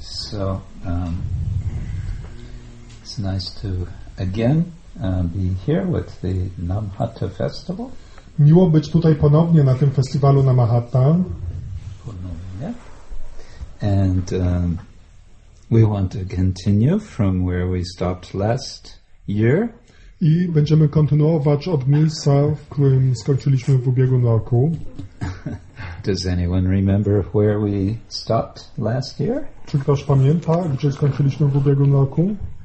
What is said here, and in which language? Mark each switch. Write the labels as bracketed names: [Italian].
[English] So it's nice to again be here with the Namhatta festival. [Polish] Miło być tutaj ponownie na tym festiwalu Namahatta. Ponownie. [English] And we want to continue from where we stopped last year. [Polish] I będziemy kontynuować od miejsca, w którym skończyliśmy w ubiegłym roku. [English] Does anyone remember where we stopped last year? [Polish] Czy ktoś pamięta, gdzie skończyliśmy w ubiegłym roku?